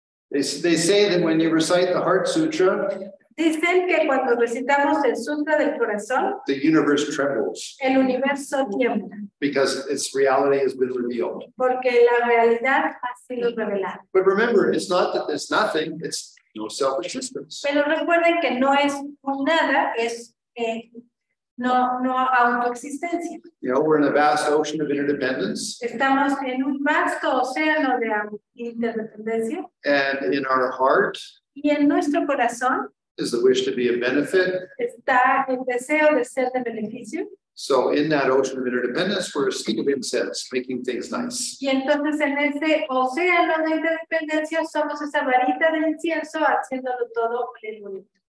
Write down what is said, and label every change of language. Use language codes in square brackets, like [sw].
[en] They say that when you recite the Heart Sutra, [es] dicen que cuando recitamos el Sutra del Corazón, [en] the universe trembles. [es] El universo tiembla. [en] Because its reality has been revealed. [es] Porque la realidad ha sido revelada. [en] But remember, it's not that there's nothing, it's no self-existence. [es] Pero recuerden que no es nada, es no autoexistencia. [en] You know, we're in a vast ocean of interdependence. [es] Estamos en un vasto océano de interdependencia. [en] And in our heart, [es] y en nuestro corazón, [en] is the wish to be a benefit. [es] Está el deseo de ser de beneficio. [en] So in that ocean of interdependence, we're a speck of incense, making things nice. [es] Y entonces en ese océano de interdependencia somos esa varita de incienso haciéndolo todo bien bonito.